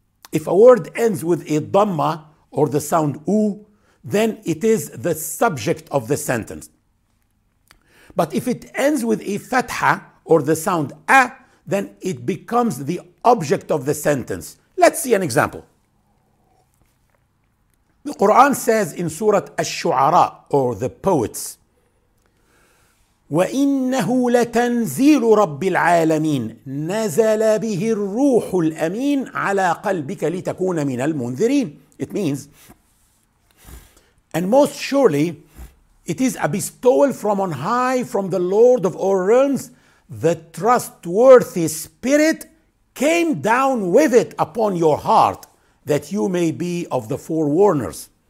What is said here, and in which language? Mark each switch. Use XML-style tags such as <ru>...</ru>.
<en>If a word ends with a dhamma or the sound u, then it is the subject of the sentence. But if it ends with a fatha or the sound a, then it becomes the object of the sentence. Let's see an example. The Quran says in Surah Ash-Shu'ara, or the poets,</en> <ar>وَإِنَّهُ لَتَنْزِيلُ رَبِّ الْعَالَمِينَ نَزَلَ بِهِ الرُّوحُ الْأَمِينَ عَلَى قَلْبِكَ لِتَكُونَ مِنَ الْمُنذِرِينَ.</ar> <en>It means, and most surely, it is a bestowal from on high, from the Lord of all realms, the trustworthy spirit came down with it upon your heart, that you may be of the forewarners.</en>